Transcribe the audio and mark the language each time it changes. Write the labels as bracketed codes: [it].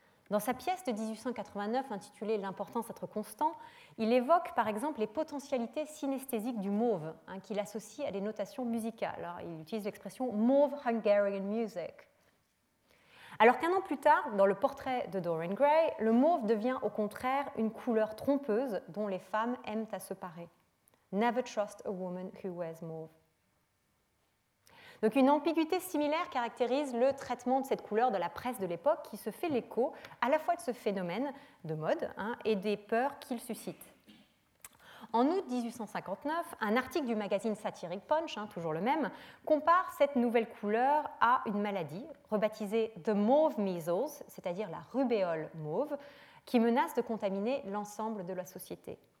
[fr] Dans sa pièce de 1889 intitulée « L'importance d'être constant », il évoque par exemple les potentialités synesthésiques du mauve, hein, qu'il associe à des notations musicales. Alors, il utilise l'expression « [en] mauve Hungarian music ». [fr] Alors qu'un an plus tard, dans le portrait de Dorian Gray, le mauve devient au contraire une couleur trompeuse dont les femmes aiment à se parer. [en] Never trust a woman who wears mauve. [fr] Donc une ambiguïté similaire caractérise le traitement de cette couleur de la presse de l'époque qui se fait l'écho à la fois de ce phénomène de mode, hein, et des peurs qu'il suscite. En août 1859, un article du magazine Satiric Punch, hein, toujours le même, compare cette nouvelle couleur à une maladie rebaptisée « [en] the mauve measles [fr] », c'est-à-dire la rubéole mauve, qui menace de contaminer l'ensemble de la société.